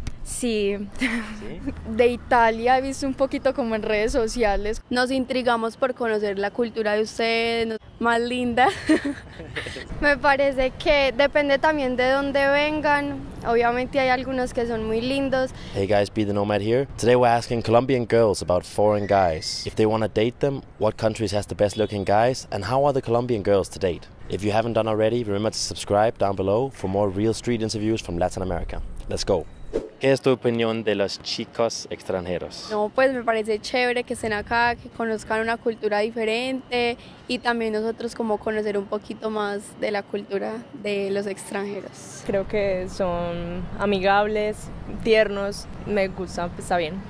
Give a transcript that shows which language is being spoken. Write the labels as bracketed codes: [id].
[es] Sí, ¿Sí? de Italia he visto un poquito como en redes sociales. Nos intrigamos por conocer la cultura de ustedes, más linda. Me parece que depende también de dónde vengan. Obviamente hay algunos que son muy lindos. [en] Hey guys, Be the Nomad here. Today we're asking Colombian girls about foreign guys. If they want to date them, what countries has the best looking guys, and how are the Colombian girls to date? If you haven't done already, remember to subscribe down below for more real street interviews from Latin America. Let's go. [es] ¿Qué es tu opinión de los chicos extranjeros? No, pues me parece chévere que estén acá, que conozcan una cultura diferente y también nosotros como conocer un poquito más de la cultura de los extranjeros. Creo que son amigables, tiernos, me gusta, pues está bien.